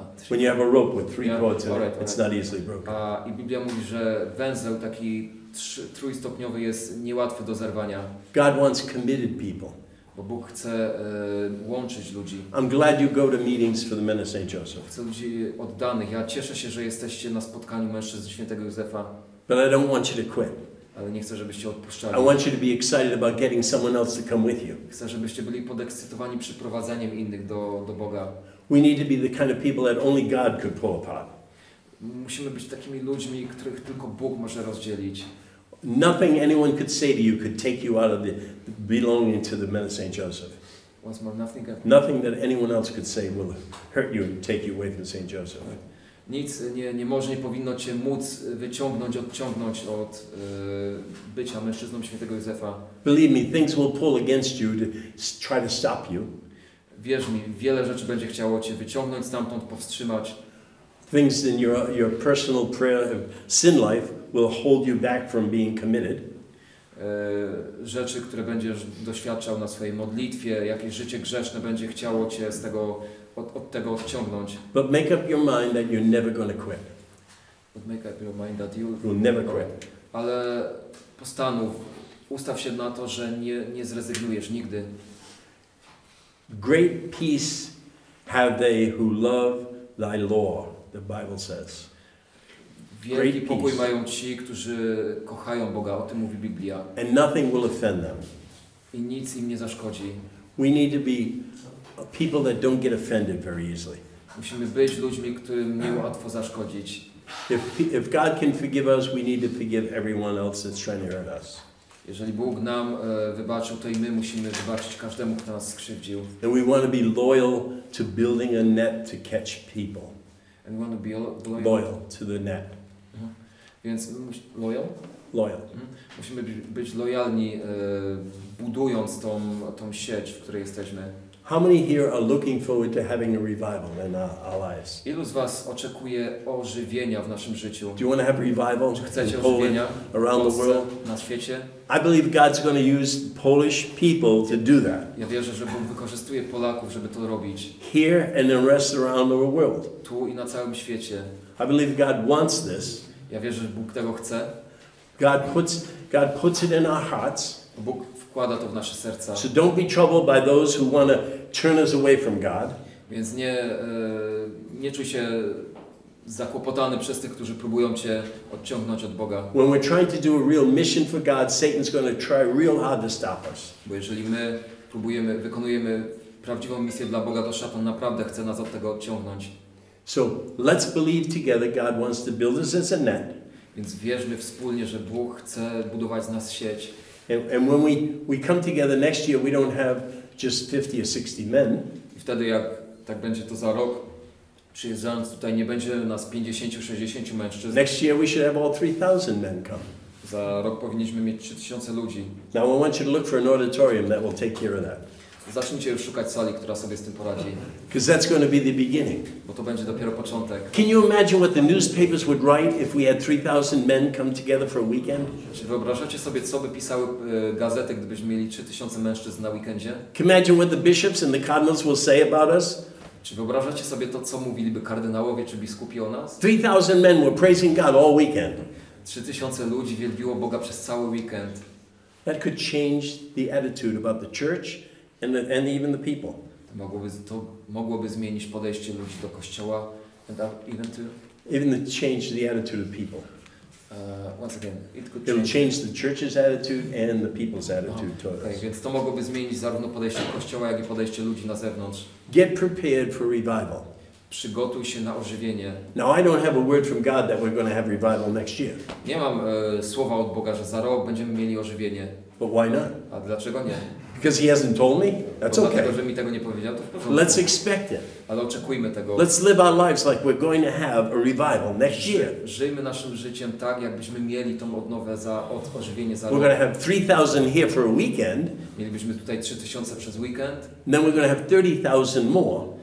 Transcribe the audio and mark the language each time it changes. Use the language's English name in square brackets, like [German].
[English] When you have a rope with three cords in it, it's not easily broken. [Polish] I Biblia mówi, że węzeł taki trójstopniowy jest niełatwy do zerwania. [English] God wants committed people. [Polish] Bo Bóg chce łączyć ludzi. [English] I'm glad you go to meetings for the men of St. Joseph. [Polish] Chcę ludzi oddanych. Ja cieszę się, że jesteście na spotkaniu mężczyzn świętego Józefa. [English] But I don't want you to quit. [Polish] Ale nie chcę, żebyście odpuszczali. [English] I want you to be excited about getting someone else to come with you. [Polish] Chcę, żebyście byli podekscytowani przyprowadzeniem innych do Boga. [English] We need to be the kind of people that only God could pull apart. [Polish] Musimy być takimi ludźmi, których tylko Bóg może rozdzielić. [English] Nothing anyone could say to you could take you out of the belonging to the men of St. Joseph. Once more, nothing. Nothing that anyone else could say will hurt you and take you away from St. Joseph. [Polish] Nic nie może, nie powinno cię móc wyciągnąć, odciągnąć od bycia mężczyzną świętego Józefa. [English] Believe me, things will pull against you to try to stop you. [Polish] Wierz mi, wiele rzeczy będzie chciało cię wyciągnąć stamtąd, powstrzymać. [English] Things in your personal prayer of sin life will hold you back from being committed. [Polish] Rzeczy, które będziesz doświadczał na swojej modlitwie, jakieś życie grzeszne będzie chciało cię z tego od tego odciągnąć. [English] But make up your mind that you're never going to quit. But make up your mind that you'll never quit. [Polish] Ale postanów, ustaw się na to, że nie zrezygnujesz nigdy. [English] Great peace have they who love thy law, the Bible says. [Polish] Wielki pokój mają ci, którzy kochają Boga, o tym mówi Biblia. [English] And nothing will offend them. [Polish] I nic im nie zaszkodzi. [English] We need to be people that don't get offended very easily. [Polish] Musimy być ludźmi, którym niełatwo zaszkodzić. [English] If God can forgive us, we need to forgive everyone else that's trying to hurt us. [Polish] Jeżeli Bóg nam wybaczył, to i my musimy wybaczyć każdemu, kto nas skrzywdził. [English] And we want to be loyal to building a net to catch people. And we want to be loyal to the net. [Polish] Więc loyal? [English] Loyal. [Polish] Musimy być lojalni, budując tą sieć, w której jesteśmy. [English] How many here are looking forward to having a revival in our lives? [Polish] Ilu z was oczekuje ożywienia w naszym życiu? [English] Do you want to have revival? [Polish] Czy chcecie ożywienia [English] around the world? [Polish] Na świecie? [English] I believe God's going to use Polish people to do that. [Polish] Ja wierzę, że Bóg wykorzystuje Polaków, żeby to robić. [English] Here and the rest around the world. [Polish] Tu i na całym świecie. [English] I believe God wants this. [Polish] Ja wierzę, że Bóg tego chce. [English] God puts it in our hearts. [Polish] Bóg wkłada to w nasze serca. [English] So don't be troubled by those who want to turn us away from God. [Polish] Więc nie czuj się zakłopotany przez tych, którzy próbują cię odciągnąć od Boga. [English] When we're trying to do a real mission for God, Satan's going to try real hard to stop us. [Polish] Bo jeżeli my wykonujemy prawdziwą misję dla Boga, to szatan naprawdę chce nas od tego odciągnąć. [English] So let's believe together God wants to build us as a net. [Polish] Więc wierzmy wspólnie, że Bóg chce budować z nas sieć. [English] And when we come together next year, we don't have just 50 or 60 men. [Polish] I wtedy, jak tak będzie to za rok, przyjeżdżając tutaj, nie będzie nas 50-60 mężczyzn. [English] Next year we should have all 3,000 men come. [Polish] Za rok powinniśmy mieć 3,000 ludzi. [English] Now I want you to look for an auditorium that will take care of that. [Polish] Zacznijcie już szukać sali, która sobie z tym poradzi. [English] Because that's going to be the beginning. [Polish] Bo to będzie dopiero początek. [English] Can you imagine what the newspapers would write if we had 3,000 men come together for a weekend? [Polish] Czy wyobrażacie sobie, co by pisały gazety, gdybyśmy mieli 3,000 mężczyzn na weekendzie? [English] Can you imagine what the bishops and the cardinals will say about us? [Polish] Czy wyobrażacie sobie to, co mówiliby kardynałowie czy biskupi o nas? [English] 3,000 men were praising God all weekend. [Polish] 3,000 ludzi wielbiło Boga przez cały weekend. [English] That could change the attitude about the church. And even the people. [Polish] To mogłoby zmienić podejście ludzi do kościoła. [English] And even to. Even the change the attitude of people. Once again, it could change the church's attitude and the people's attitude towards. [Polish] Okay, więc to mogłoby zmienić zarówno podejście kościoła, jak i podejście ludzi na zewnątrz. [English] Get prepared for revival. [Polish] Przygotuj się na ożywienie. [English] Now I don't have a word from God that we're going to have revival next year. [Polish] Nie mam słowa od Boga, że za rok będziemy mieli ożywienie. [English] But why not? [Polish] A dlaczego nie? [English] Because he hasn't told me. That's [Polish] bo [English] okay. [Polish] Dlatego, że mi tego nie powiedział, to w porządku. [English] Let's expect it. [Polish] Ale oczekujmy tego. [English] Let's live our lives like we're going to have a revival next year. [Polish] Żyjmy naszym życiem tak, jakbyśmy mieli tą odnowę za ożywienie za rok. [English] We're going to have 3,000 here for a weekend. [Polish] Mielibyśmy tutaj 3,000 przez weekend. [English] Then we're going to have 30,000 more.